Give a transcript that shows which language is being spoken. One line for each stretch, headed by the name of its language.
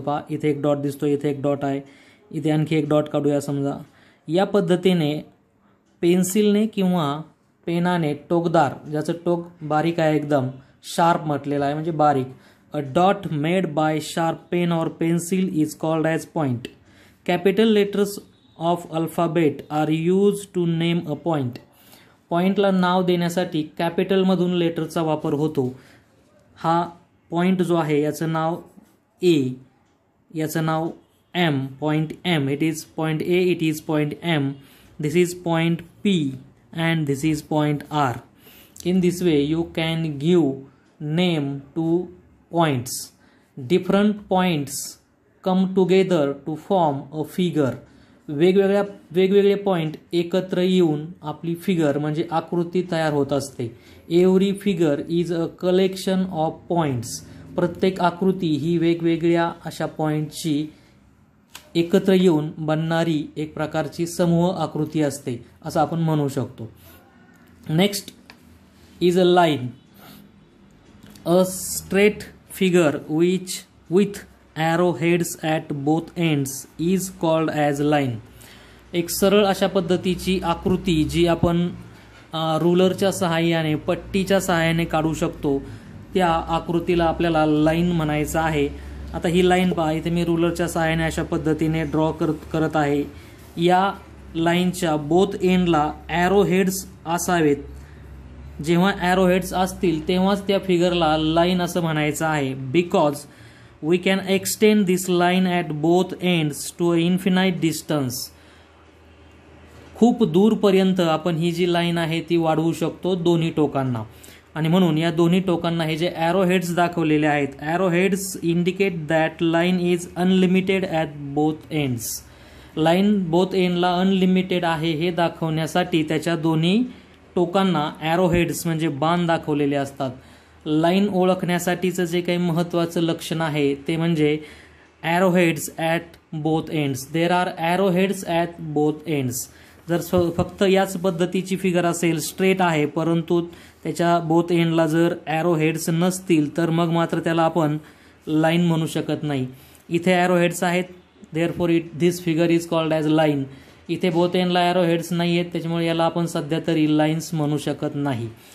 Marathi: पहा, इथे एक डॉट दिसतो, इथे एक डॉट आहे, इथे आणखी एक डॉट काढूया। समजा या पद्धतीने पेन्सिलने किंवा पेनाने टोकदार, ज्याचं टोक बारीक आहे एकदम शार्प म्हटलेलं आहे म्हणजे बारीक,
English: A dot made by sharp pen or pencil is called as point. Capital letters of alphabet are use to name a point.
Marathi: पॉइंटला नाव देण्यासाठी कॅपिटलमधून लेटरचा वापर होतो। हा पॉइंट जो आहे याचं नाव ए, याचं नाव M,
English: Point M, it is point A, it is point M, this is point P and this is point R. In this way you can give name to points. Different points come together to form a figure.
Marathi: वेगवेगळे point एकत्र येऊन आपली figure म्हणजे आकृती तयार होत असते।
English: Every figure is a collection of points.
Marathi: प्रत्येक आकृती ही वेगवेगळ्या अशा पॉइंटची एकत्र येऊन बनणारी एक प्रकारची समूह आकृती असते असं आपण म्हणू शकतो।
English: Next is a line. A straight figure which with arrow heads at both ends is called as line.
Marathi: एक सरळ अशा पद्धतीची आकृती जी आपण रुलरच्या सहाय्याने, पट्टीच्या सहाय्याने काढू शकतो, त्या आकृतीला आपल्याला लाईन म्हणायचं आहे। आता ही लाईन पहा, इथे मी रुलरच्या सहाय्याने अशा पद्धतीने ड्रॉ करत आहे। या लाईनच्या बोथ एंडला ॲरो हेड्स असावेत। जेव्हा ॲरो हेड्स असतील तेव्हाच त्या फिगरला लाईन असं म्हणायचं आहे।
English: Because we can extend this line at both ends to a infinite distance.
Marathi: खूप दूरपर्यंत आपण ही जी लाईन आहे ती वाढवू शकतो दोन्ही टोकांना, आणि म्हणून या दोन्ही टोकांना हे जे
English: Arrow heads दाखवलेले आहेत, arrow heads indicate that line is unlimited at both ends.
Marathi: Line both एंडला अनलिमिटेड आहे हे दाखवण्यासाठी त्याच्या दोन्ही टोकांना ॲरो हेड्स म्हणजे बाण दाखवलेले असतात। लाईन ओळखण्यासाठीचं जे काही महत्त्वाचं लक्षण आहे ते म्हणजे
English: Arrow heads at both ends. There are arrow heads at both ends.
Marathi: जर फक्त याच पद्धतीची फिगर असेल, स्ट्रेट आहे परंतु त्याच्या बोथ एंडला जर ॲरो हेड्स नसतील तर मग मात्र त्याला आपण लाईन म्हणू शकत नाही। इथे ॲरो हेड्स आहेत,
English: Therefore it this figure is called as line.
Marathi: इथे बोथ एंडला ॲरो हेड्स नाही आहेत त्याच्यामुळे याला आपण सध्या तरी लाईन्स म्हणू शकत नाही।